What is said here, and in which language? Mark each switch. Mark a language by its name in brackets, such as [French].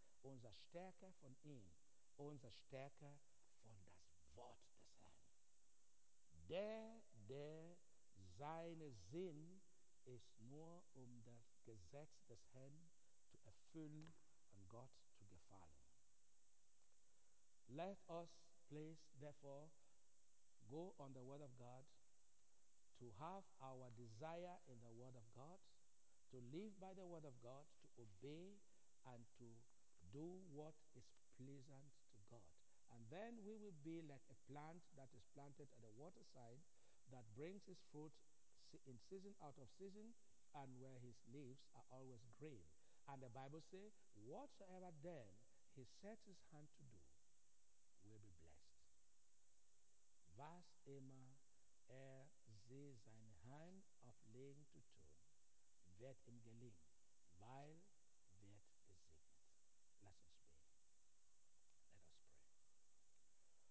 [German] Unser Stärke von ihm, unser Stärke von das Wort des Herrn. Der seine Sinn ist nur um das Gesetz des Herrn zu erfüllen und Gott zu gefallen. [English] Let us please therefore go on the word of God to have our desire in the word of God, to live by the word of God, to obey and to do what is pleasant to God. And then we will be like a plant that is planted at the waterside that brings its fruit in season, out of season, and where his leaves are always green. And the Bible says, whatsoever then he sets his hand to do will be blessed. [German] Was immer sie seine Hand auflegen zu tun, wird ihm gelingen, weil wird gesegnet. Lass uns beten. [English] Let us pray.